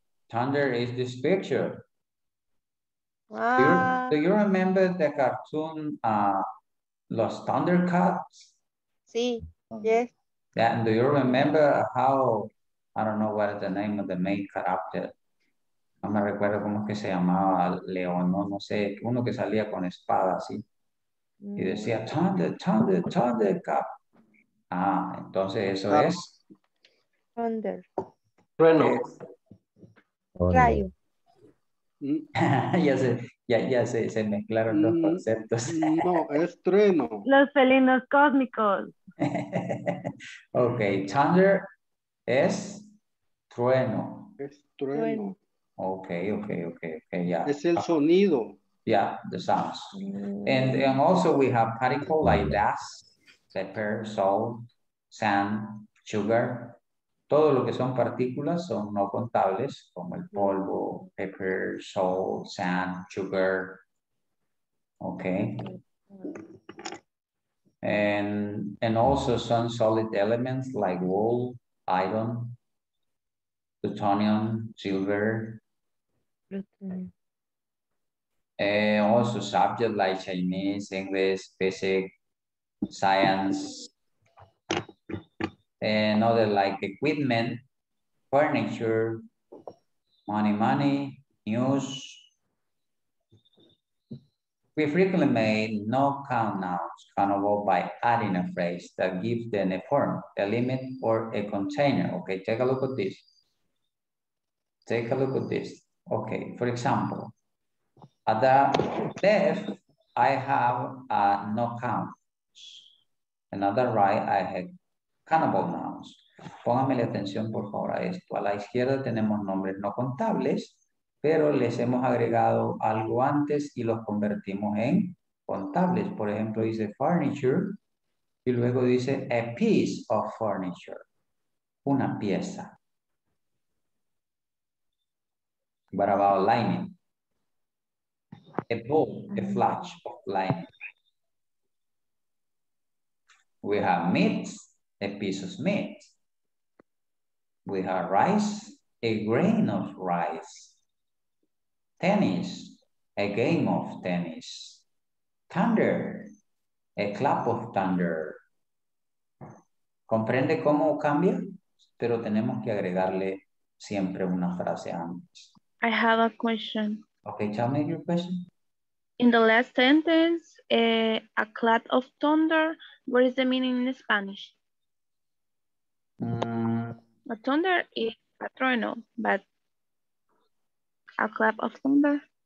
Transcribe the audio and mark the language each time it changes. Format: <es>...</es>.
<en>Thunder is this picture. Ah. Do you remember the cartoon Los Thundercats?</en> <es>Sí,</es> <en>yes. Yeah, and do you remember how, I don't know what is the name of the main character.</en> <es>No me recuerdo cómo es que se llamaba León, no sé, uno que salía con espada, ¿sí? Y decía,</es> <en>Thunder, Thunder, Thundercat.</en> <es>Ah, entonces eso es.</es> <en>Thunder.</en> <es>Trueno. Rayo. ya se mezclaron los conceptos. No, es trueno. Los felinos cósmicos. Ok, thunder es trueno. Es trueno.</es> <en>Ok, yeah.</en> <es>Es el sonido.</es> <en>Yeah, the sounds. And also we have particles like dust, pepper, salt, sand, sugar.</en> <es>Todo lo que son partículas son no contables, como el polvo,</es> <en>pepper, salt, sand, sugar. Okay. And also some solid elements like wool, iron, plutonium, silver. Also subjects like Chinese, English, physics, science, and other like equipment, furniture, money, news. We frequently make no count nouns countable by adding a phrase that gives them a form, a limit, or a container. Okay, take a look at this. Take a look at this. Okay, for example, at the left, I have a no count. And at the right, I have countable nouns.</en> <es>Póngame la atención, por favor, a esto. A la izquierda tenemos nombres no contables, pero les hemos agregado algo antes y los convertimos en contables. Por ejemplo, dice furniture y luego dice</es> <en>a piece of furniture,</en> <es>una pieza.</es> <en>What about lining? A bolt, a flash of lining. We have meat, a piece of meat. We have rice, a grain of rice. Tennis, a game of tennis. Thunder, a clap of thunder.</en> <es>¿Comprende cómo cambia? Pero tenemos que agregarle siempre una frase antes.</es> <en>I have a question. Okay, tell me your question. In the last sentence, a clap of thunder, what is the meaning in Spanish? A thunder is a trueno, but a clap of thunder?</en>